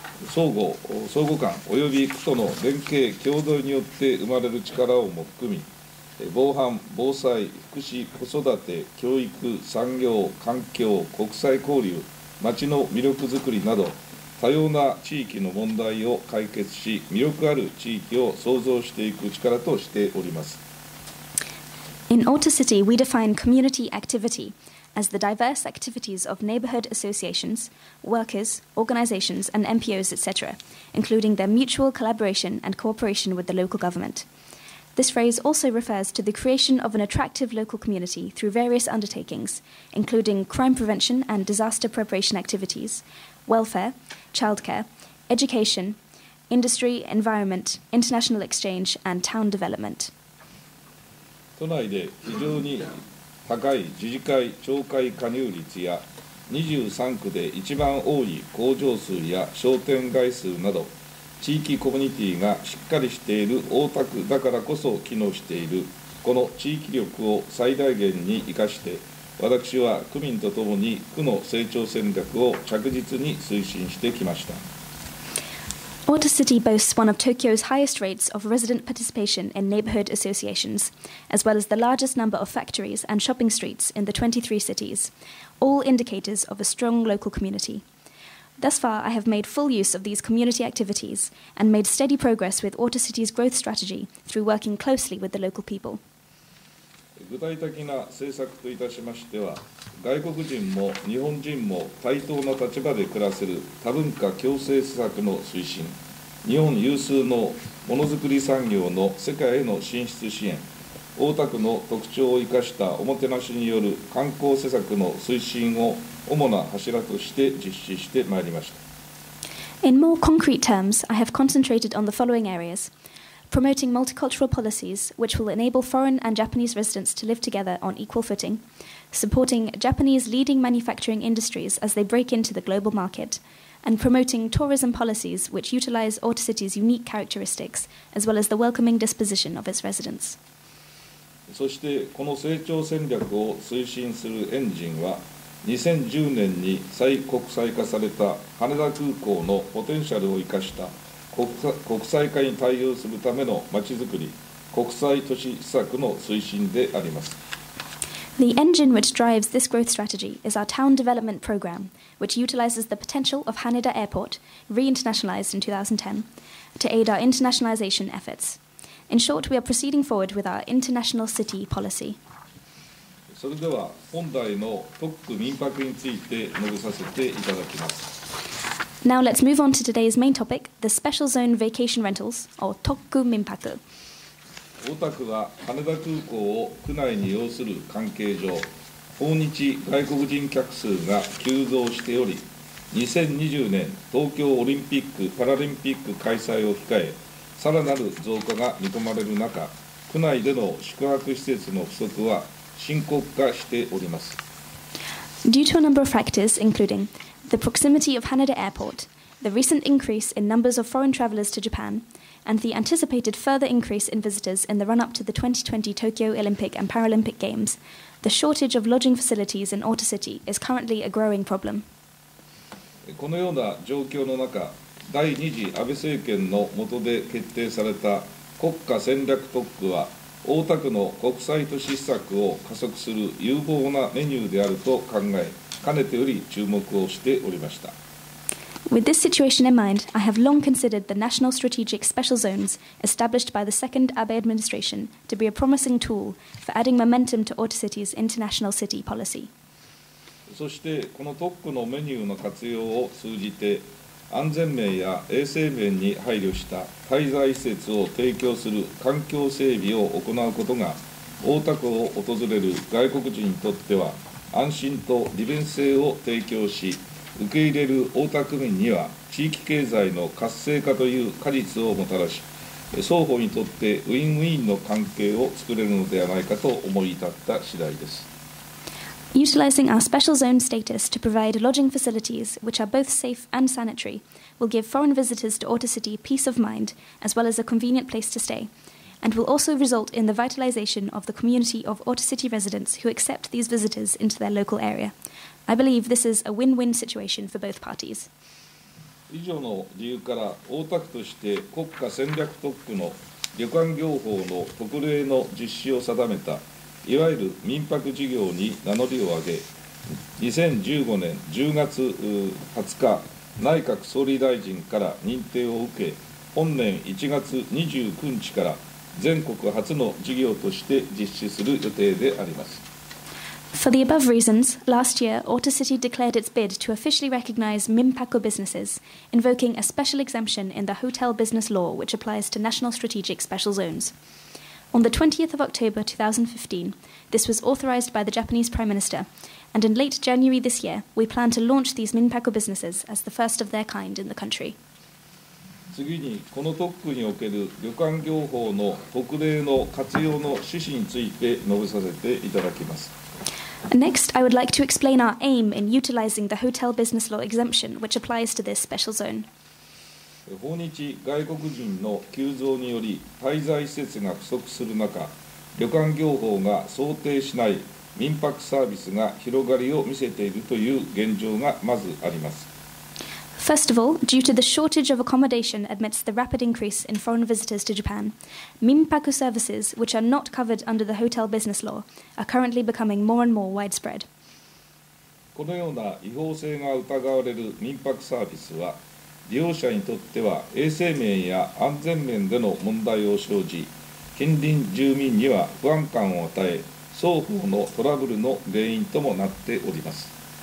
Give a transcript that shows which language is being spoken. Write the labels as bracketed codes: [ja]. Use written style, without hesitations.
[ja] 相互感および区との連携共同によって生まれる力をも含み、防犯、防災、福祉、子育て、教育、産業、環境、国際交流、町の魅力づくりなど多様な地域の問題を解決し、魅力ある地域を創造していく力としております。 [en] In Otter City, we define community activityas the diverse activities of neighborhood associations, workers, organizations, and MPOs, etc., including their mutual collaboration and cooperation with the local government. This phrase also refers to the creation of an attractive local community through various undertakings, including crime prevention and disaster preparation activities, welfare, childcare, education, industry, environment, international exchange, and town development. [ja] 都内で非常に高い自治会・町会加入率や23区で一番多い工場数や商店街数など地域コミュニティがしっかりしている大田区だからこそ機能しているこの地域力を最大限に生かして私は区民とともに区の成長戦略を着実に推進してきました。 [en] Otter City boasts one of Tokyo's highest rates of resident participation in neighborhood associations, as well as the largest number of factories and shopping streets in the 23 cities, all indicators of a strong local community. Thus far, I have made full use of these community activities and made steady progress with Otter City's growth strategy through working closely with the local people. [ja] 具体的な政策といたしましては、外国人も日本人も対等な立場で暮らせる多文化共生施策の推進、日本有数のものづくり産業の世界への進出支援、大田区の特徴を生かしたおもてなしによる観光施策の推進を主な柱として実施してまいりました。 [en] In more concrete terms, I have concentrated on the following areas. Promoting multicultural policies, which will enable foreign and Japanese residents to live together on equal footing. Supporting Japanese leading manufacturing industries as they break into the global market. And promoting tourism policies, which utilize Otter City's unique characteristics, as well as the welcoming disposition of its residents. [ja] そしてこの成長戦略を推進するエンジンは、2010年に再国際化された羽田空港のポテンシャルを生かした国際化に対応するためのまちづくり、国際都市施策の推進であります。 [en] The engine which drives this growth strategy is our town development program, which utilizes the potential of Haneda Airport, re-internationalized in 2010, to aid our internationalization efforts. In short, we are proceeding forward with our international city policy. [ja] それでは本題の特区民泊について述べさせていただきます。 [en] Now let's move on to today's main topic, the Special Zone Vacation Rentals, or Tokku Minpaku. [ja] 大田区は羽田空港を区内に要する関係上、訪日外国人客数が急増しており、2020年東京オリンピック・パラリンピック開催を控え、さらなる増加が見込まれる中、区内での宿泊施設の不足は深刻化しております。 [en] Due to a number of factors, including... The proximity of Haneda Airport, the recent increase in numbers of foreign travelers to Japan, and the anticipated further increase in visitors in the run-up to the 2020 Tokyo Olympic and Paralympic Games, the shortage of lodging facilities in Otter City is currently a growing problem. [ja] このような状況の中、第2次安倍政権の下で決定された国家戦略特区は、大田区の国際都市施策を加速する有望なメニューであると考え、かねてより注目をしておりました。 [en] With this situation in mind, I have long considered the National Strategic Special Zones established by the second Abe administration to be a promising tool for adding momentum to Autocity's international city policy. [ja] そしてこの特区のメニューの活用を通じて安全面や衛生面に配慮した滞在施設を提供する環境整備を行うことが大田区を訪れる外国人にとっては安心と利便性を提供し受け入れる大田区民には地域経済の活性化という果実をもたらし双方にとってウィンウィンの関係を作れるのではないかと思い立った次第です。 [en] Utilizing our special zone status to provide lodging facilities which are both safe and sanitary will give foreign visitors to Autocity peace of mind as well as a convenient place to stay, and will also result in the vitalization of the community of Autocity residents who accept these visitors into their local area. I believe this is a win-win situation for both parties. [ja] 以上の理由から大田区として国家戦略特区の旅館業法の特例の実施を定めたいわゆる民泊事業に名乗りを上げ2015年10月20日内閣総理大臣から認定を受け本年1月29日から全国初の事業として実施する予定であります。 [en] For the above reasons, last year, Autocity declared its bid to officially recognize Minpaku businesses, invoking a special exemption in the hotel business law which applies to national strategic special zones. On the 20th of October 2015, this was authorized by the Japanese Prime Minister, and in late January this year, we plan to launch these Minpaku businesses as the first of their kind in the country. [ja] 次に、この特区における旅館業法の特例の活用の趣旨について述べさせていただきます。 [en] Next, I would like to explain our aim in utilizing the hotel business law exemption, which applies to this special zone. [ja] 訪日外国人の急増により滞在施設が不足する中、旅館業法が想定しない民泊サービスが広がりを見せているという現状がまずあります。 [en] First of all, due to the shortage of accommodation amidst the rapid increase in foreign visitors to Japan, 民泊 services, which are not covered under the hotel business law, are currently becoming more and more widespread. [ja] このような違法性が疑われる民泊サービスは、利用者にとっては衛生面や安全面での問題を生じ、近隣住民には不安感を与え、双方のトラブルの原因ともなっております。